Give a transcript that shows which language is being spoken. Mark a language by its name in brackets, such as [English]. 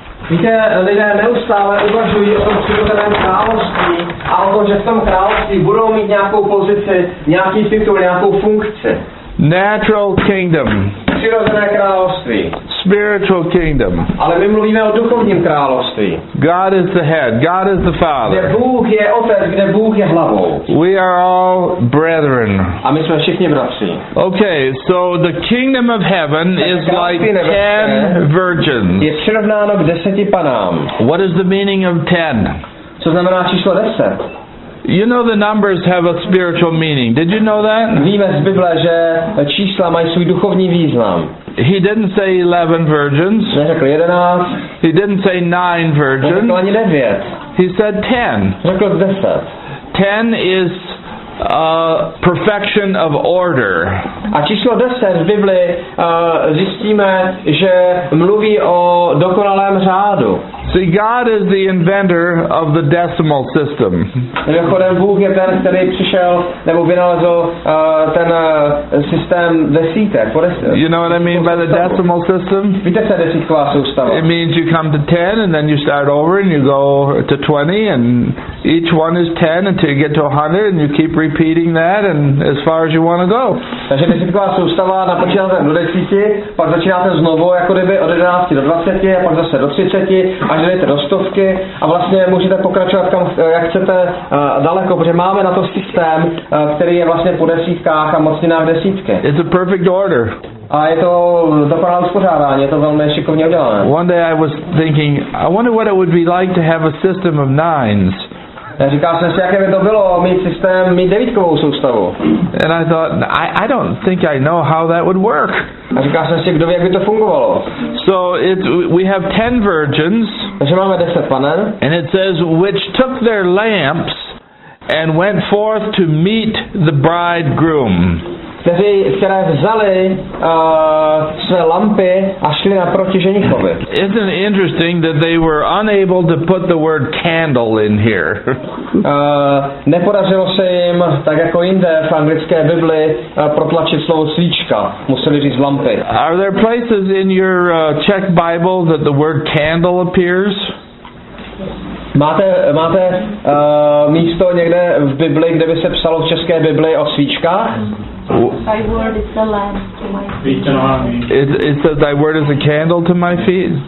[Czech] Víte, lidé neustále uvažují o tom přirozeném království a o tom, že v tom království budou mít nějakou pozici, nějaký titul, nějakou funkci. [English] Natural kingdom. [Czech] Přirozené království. [English] Spiritual kingdom. [Czech] Ale my mluvíme o duchovním království. [English] God is the head. God is the father. [Czech] Kde Bůh je otec, kde Bůh je hlavou. [English] We are all brethren. [Czech] A my jsme všichni bratři. [English] Okay, so the kingdom of heaven is like 10 virgins. [Czech] Je přirovnáno k 10 panám. [English] What is the meaning of 10? [Czech] Co znamená číslo 10? [English] You know the numbers have a spiritual meaning. Did you know that? [Czech] Víme z Bible, že čísla mají svůj duchovní význam. [English] He didn't say 11 virgins. [Czech] Neřekl 11. [English] He didn't say 9 virgins. [Czech] Neřekl ani 9. [English] He said 10. [Czech] Řekl 10. [English] 10 is perfection of order. [Czech] A číslo 10 z Bible zjistíme, že mluví o dokonalém řádu. [English] See, God is the inventor of the decimal system. [Czech] Mimochodem, Bůh je ten, který přišel nebo vynalezl ten systém desítek. [English] You know what I mean by the decimal system? [Czech] Víte, co je desítková soustava? [English] It means you come to 10 and then you start over and you go to 20 and each one is 10 until you get to 100 and you keep repeating that and as far as you want to go. [Czech] Takže desítková soustava, napočínáte do desíti, pak začínáte znovu, jako kdyby od 11 do 20 a pak zase do 30. A jdete do stovky a vlastně můžete pokračovat kam, jak chcete daleko, protože máme na to systém, který je vlastně po desítkách a mocninách desítky. [English] It's a perfect order. [Czech] A je to dokonalé uspořádání, je to velmi šikovně udělané. [English] One day I was thinking, I wonder what it would be like to have a system of nines. [Czech] Já říkal jsem si, jaké by to bylo mít systém, mít devítkovou soustavu. [English] And I thought, I don't think I know how that would work. [Czech] A říkal jsem si, kdo ví, jak by to fungovalo. [English] So it, we have 10 virgins. [Czech] Takže máme 10 panen. [English] And it says, which took their lamps and went forth to meet the bridegroom. [Czech] Které vzali své lampy a šli naproti ženichovi. [English] Isn't it interesting that they were unable to put the word candle in here? [Czech] Nepodařilo se jim, tak jako jinde v anglické Bibli, protlačit slovo svíčka. Museli říct lampy. [English] Are there places in your Czech Bible that the word candle appears? [Czech] Máte místo někde v Bibli, kde by se psalo v české Bibli o svíčkách? [English] It says thy word is a candle to my feet.